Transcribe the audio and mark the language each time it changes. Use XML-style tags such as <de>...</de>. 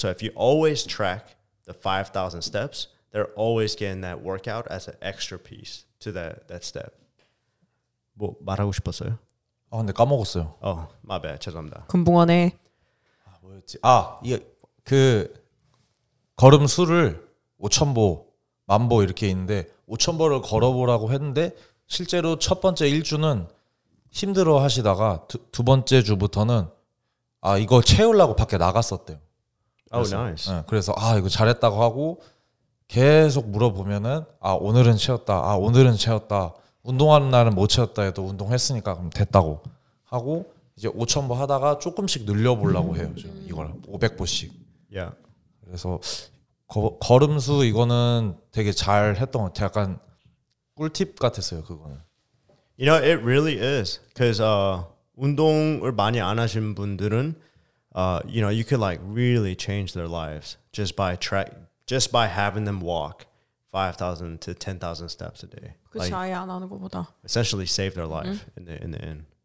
<en>So if you always track the 5,000 steps, they're always getting that workout as an extra piece to that step.</en> <ko>뭐 말하고 싶었어요? 아, 근데 까먹었어요. 어,</ko> <en>my bad.</en> <ko>죄송합니다. 금붕어네. 아, 뭐였지? 아, 이게 그 걸음수를 5,000보, 만보 이렇게 있는데 5,000보를 걸어보라고 했는데 실제로 첫 번째 1주는 힘들어 하시다가 두 번째 주부터는 아 이거 채우려고 밖에 나갔었대요. 그래서,</ko> <en>oh nice.</en> <ko>네, 그래서 아 이거 잘했다고 하고 계속 물어보면은 아 오늘은 채웠다. 아 오늘은 채웠다. 운동하는 날은 못 채웠다 해도 운동했으니까 그럼 됐다고 하고 이제 5,000보 하다가 조금씩 늘려보려고 해요. 지금 이걸 500보씩. 야. Yeah. 그래서 걸음수 이거는 되게 잘 했던 것 같아요. 약간 꿀팁 같았어요 그거는.</ko> <en>You know it really is because</en> <ko>운동을 많이 안 하신 분들은</ko> <en>you know you could like really change their lives just by track just by having them walk 5,000 to 10,000 steps a day.</en> <ko>그치, like, 아예 안 하는 것보다.</ko> <en>Essentially save their life in the end.</en>